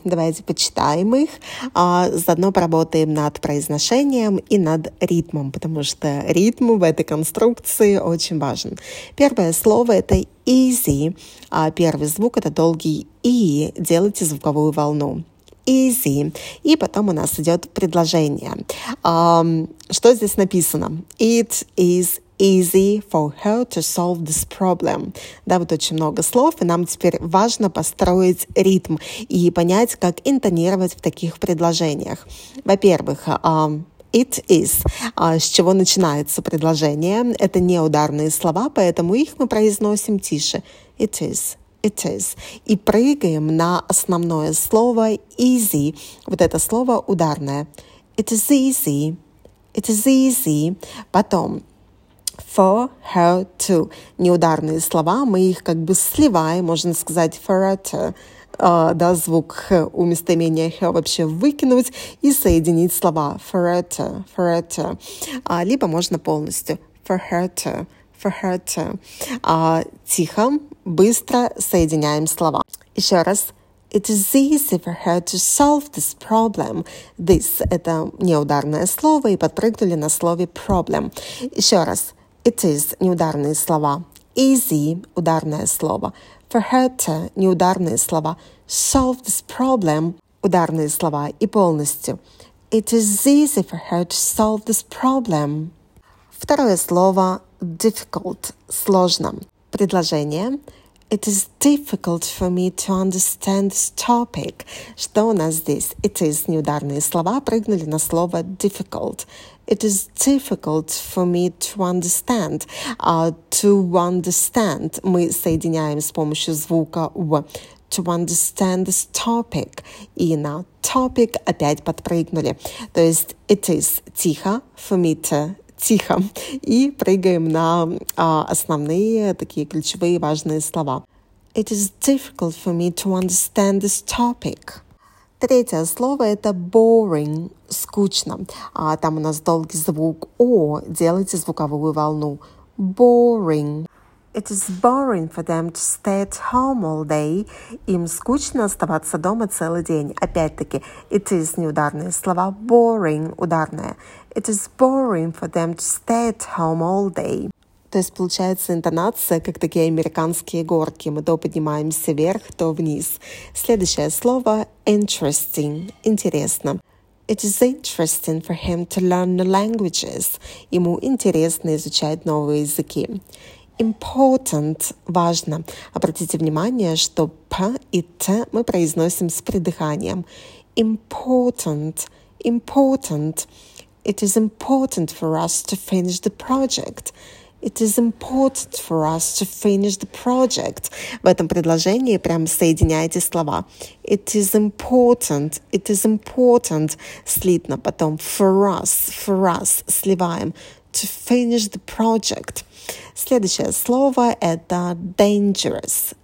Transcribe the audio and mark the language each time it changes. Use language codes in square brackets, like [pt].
[ru] Давайте почитаем их, а заодно поработаем над произношением и над ритмом, потому что ритм в этой конструкции очень важен. Первое слово — это easy, а первый звук — это долгий «и», делайте звуковую волну. [en] Easy. [ru] И потом у нас идет предложение. Что здесь написано? [en] It is easy for her to solve this problem. [ru] Да, вот очень много слов, и нам теперь важно построить ритм и понять, как интонировать в таких предложениях. Во-первых, [en] it is, [ru] с чего начинается предложение. Это не ударные слова, поэтому их мы произносим тише. [en] It is. It is. [ru] И прыгаем на основное слово easy. Вот это слово ударное. [en] It is easy. It is easy. [ru] Потом [en] for her to. [ru] Неударные слова, мы их как бы сливаем, можно сказать [en] for her to. [ru] Да, звук у местоимения her вообще выкинуть и соединить слова [en] for her to. For her to. [ru] Либо можно полностью [en] for her to. For her to. [ru] Тихо. Быстро соединяем слова. Еще раз. [en] It is easy for her to solve this problem. [ru] This — это неударное слово, и подпрыгнули на слове problem. Еще раз. [en] It is [ru] — неударные слова. Easy — ударное слово. [en] For her to [ru] — неударные слова. [en] Solve this problem [ru] — ударные слова. И полностью. [en] It is easy for her to solve this problem. [ru] Второе слово — difficult — сложно. Предложение. [en] It is difficult for me to understand this topic. [ru] Что у нас здесь? [en] It is [ru] неударные слова, прыгнули на слово difficult. [en] It is difficult for me to understand. To understand [ru] мы соединяем с помощью звука w. [en] To understand this topic. [ru] И на topic опять подпрыгнули. То есть [en] it is [ru] тихо [en] for me to. [ru] Тихо. И прыгаем на основные такие ключевые важные слова. [en] It is difficult for me to understand this topic. [ru] Третье слово — это boring, скучно. Там у нас долгий звук «о», делайте звуковую волну. [en] Boring. It is boring for them to stay at home all day. [ru] Им скучно оставаться дома целый день. Опять-таки, [en] it is [ru] неударные слова. [en] Boring — [ru] ударное. [en] It is boring for them to stay at home all day. [ru] То есть получается интонация, как такие американские горки. Мы то поднимаемся вверх, то вниз. Следующее слово — interesting. Интересно. [en] It is interesting for him to learn new languages. [ru] Ему интересно изучать новые языки. Important — важно. Обратите внимание, что «п» и «т» мы произносим с придыханием. [en] Important — important. It is important for us to finish the project. It is important for us to finish the project. [ru] В этом предложении прямо соединяйте слова. [en] It is important. It is important. [ru] Слитно потом. [en] For us, [ru] сливаем. [en] To finish the project. [ru] Следующее слово — это dangerous.